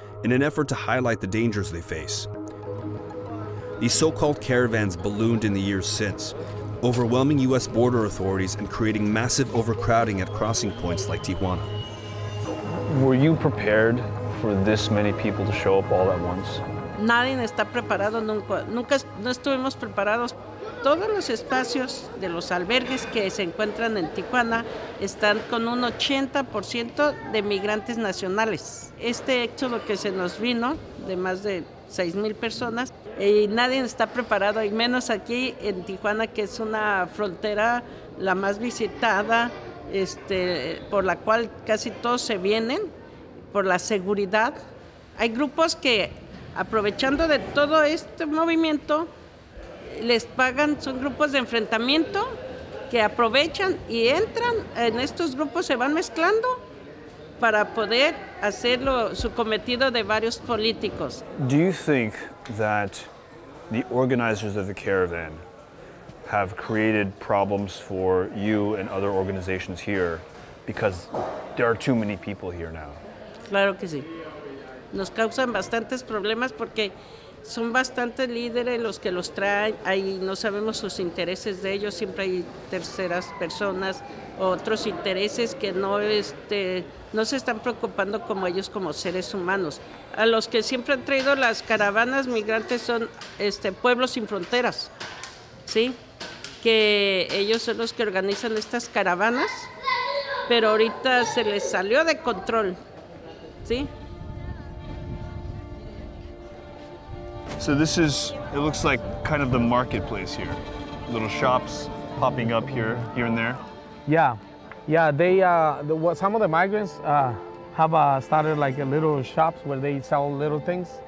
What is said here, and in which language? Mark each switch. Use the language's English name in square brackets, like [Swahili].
[English] in an effort to highlight the dangers they face. These so-called caravans ballooned in the years since, overwhelming U.S. border authorities and creating massive overcrowding at crossing points like Tijuana. Were you prepared for this many people to show up all at once? [Spanish] Nadie está preparado, nunca no estuvimos preparados. Todos los espacios de los albergues que se encuentran en Tijuana están con un 80% de migrantes nacionales. Este éxodo que se nos vino de más de 6,000 personas, y nadie está preparado, y menos aquí en Tijuana, que es una frontera la más visitada, por la cual casi todos se vienen, por la seguridad. Hay grupos que, aprovechando de todo este movimiento, les pagan, son grupos de enfrentamiento que aprovechan y entran en estos grupos, se van mezclando para poder hacerlo su cometido de varios políticos. [English] Do you think that the organizers of the caravan have created problems for you and other organizations here because there are too many people here now? [Spanish] Claro que sí. Nos causan bastantes problemas porque son bastantes líderes los que los traen, ahí no sabemos sus intereses de ellos, siempre hay terceras personas, otros intereses que no se están preocupando como ellos, como seres humanos. A los que siempre han traído las caravanas migrantes son Pueblos Sin Fronteras, ¿sí? Que ellos son los que organizan estas caravanas, pero ahorita se les salió de control, ¿sí? [English] So this is, it looks like kind of the marketplace here. Little shops popping up here and there. Yeah, yeah, some of the migrants started like a little shops where they sell little things.